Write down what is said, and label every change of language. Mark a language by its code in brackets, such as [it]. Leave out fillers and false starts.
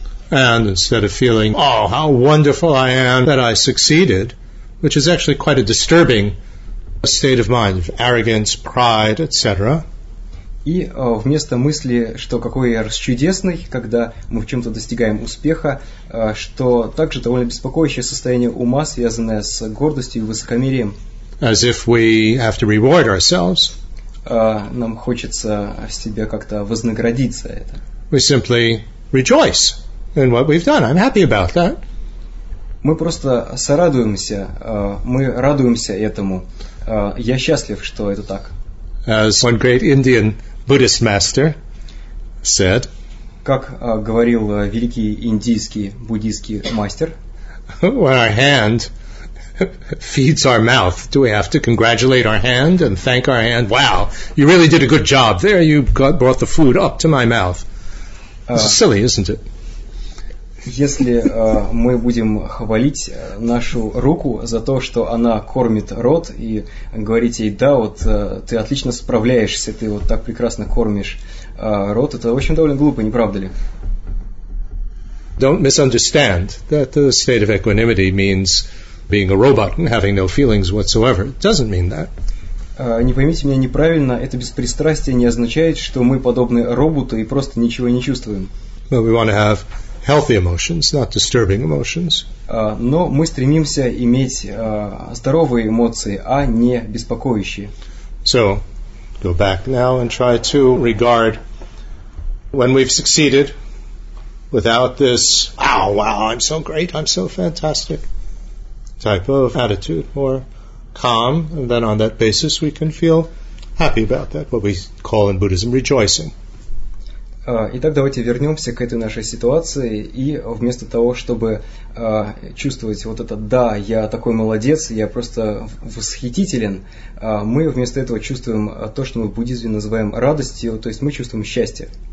[en] And instead of feeling, oh, how wonderful I am that I succeeded, which is actually quite a disturbing state of mind, of arrogance, pride, etc. [ru] И вместо мысли, что какой я расчудесный, когда мы в чем-то достигаем успеха, что также довольно беспокоящее состояние ума, связанное с гордостью и высокомерием. [en] As if we have to reward ourselves. [ru] Нам хочется себя как-то вознаградить за это. [en] We simply rejoice in what we've done. I'm happy about that. [ru] Мы просто сорадуемся, мы радуемся этому. Я счастлив, что это так. [en] As one great Indian Buddhist master said, [ru] как говорил великий индийский буддийский мастер, [en] when our hand feeds our mouth, do we have to congratulate our hand and thank our hand? Wow, you really did a good job there. You got, brought the food up to my mouth. This is silly, isn't it? [ru] Если мы будем хвалить нашу руку за то, что она кормит рот, и говорить ей, да, вот ты отлично справляешься, ты вот так прекрасно кормишь рот, это, в общем, довольно глупо, не правда ли? [en] Don't misunderstand that the state of equanimity means being a robot and having no feelings whatsoever. It doesn't mean that. [ru] Не поймите меня неправильно, это беспристрастие не означает, что мы подобны роботу и просто ничего не чувствуем. [en] But we want to have healthy emotions, not disturbing emotions. [ru] Но мы стремимся иметь здоровые эмоции, а не беспокоящие. [en] So, go back now and try to regard when we've succeeded without this, oh, wow, I'm so great, I'm so fantastic type of attitude, more calm, and then on that basis we can feel happy about that, what we call in Buddhism rejoicing. [ru] Итак, давайте вернемся к этой нашей ситуации, и вместо того, чтобы чувствовать вот это «да, я такой молодец, я просто восхитителен», мы вместо этого чувствуем то, что мы в буддизме называем радостью, то есть мы чувствуем счастье.